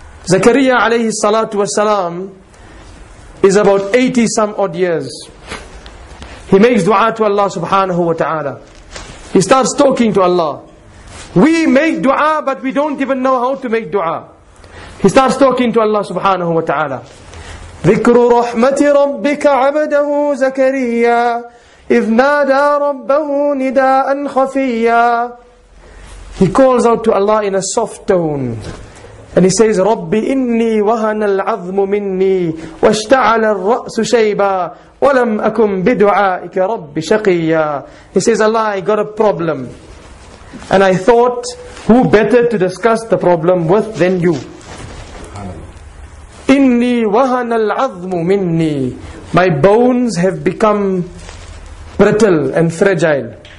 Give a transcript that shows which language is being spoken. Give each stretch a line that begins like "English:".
English: Zakariya alayhi salatu wasalam is about 80 some odd years. He makes dua to Allah subhanahu wa ta'ala. He starts talking to Allah. We make dua, but we don't even know how to make dua. He starts talking to Allah subhanahu wa ta'ala.
Arabic: ذِكْرُ رَحْمَةِ رَبِّكَ عَبْدَهُ زَكَرِيَّا إِذْ نَادَى رَبَّهُ نِدَاءً خَفِيَّا.
English: He calls out to Allah in a soft tone. And he says,
Arabic: رَبِّ إِنِّي وَهَنَ الْعَظْمُ مِنِّي وَاشْتَعَلَ الرَّأْسُ شَيْبًا وَلَمْ أَكُمْ بِدُعَائِكَ رَبِّ شَقِيَّا.
English: He says, Allah, I got a problem. And I thought, who better to discuss the problem with than you?
Arabic: إِنِّي وَهَنَ الْعَظْمُ مِنِّي.
English: My bones have become brittle and fragile.